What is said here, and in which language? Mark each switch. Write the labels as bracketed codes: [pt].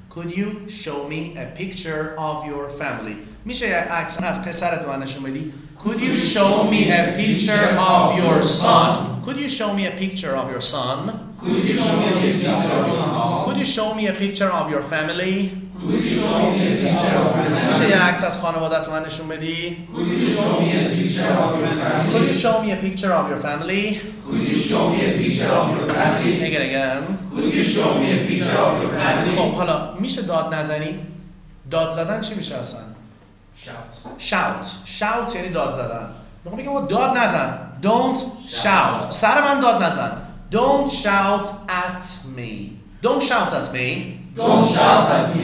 [en] Could you show me a picture of your family? [fa] میشه عکس از پسرت من نشون بدی؟ [en] Could you show me a picture of your son? Could you show me a picture of your son? Could you show me a picture of your son? Could you show me a picture of your family? Could you show me a picture of your family? [fa] میشه یه عکس از خانوادت من نشون بدی؟ [en] Could you show me a picture of your family? Could you show me a picture of your family? Could you show me a picture of your family? Again. Could you show me a picture of your family? [fa] خب حالا میشه داد نزنی؟ داد زدن چی میشه اصلا؟ [en] Shout. [fa] Shout یعنی داد زدن. میخوام بگم داد نزن. [en] Don't shout. [fa] سر من داد نزن. [en] Don't shout at me. Don't shout at me. Don't shout at me.